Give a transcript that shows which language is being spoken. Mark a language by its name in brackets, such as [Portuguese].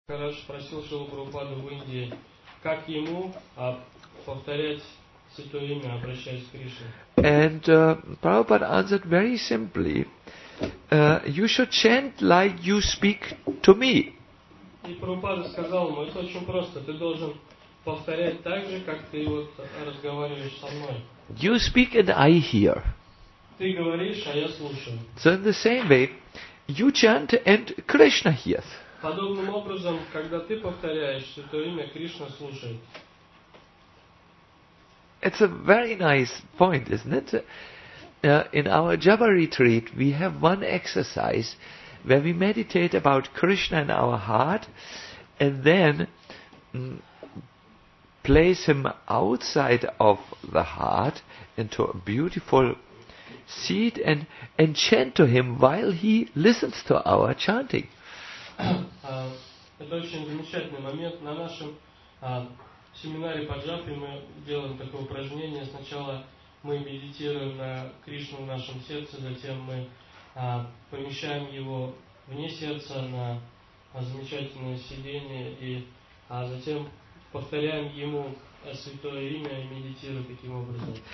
[Russian] Хорошо, спросил Шрилу Прабхупаду в Индии, как ему повторять святое имя, обращаясь к Кришне. [English] And Prabhupada answered very simply, you should chant like you speak to me. [Russian] И Прабхупада сказал ему, это очень просто, ты должен повторять так же, как ты вот разговариваешь со мной. [English] You speak and I hear. [Russian] Ты говоришь, а я слушаю. [English] So in the same way, you chant and Krishna hears. [Russian] Подобным образом, когда ты повторяешь святое имя, Кришна слушает. [English] It's a very nice point, isn't it? In our Java retreat, we have one exercise where we meditate about Krishna in our heart and then place him outside of the heart into a beautiful seat and chant to him while he listens to our chanting. [Russian] Это очень замечательный момент. На нашем семинаре по джапе мы делаем такое упражнение. Сначала мы медитируем на Кришну в нашем сердце, затем мы помещаем его вне сердца на замечательное сиденье, и затем повторяем ему святое имя и медитируем таким образом.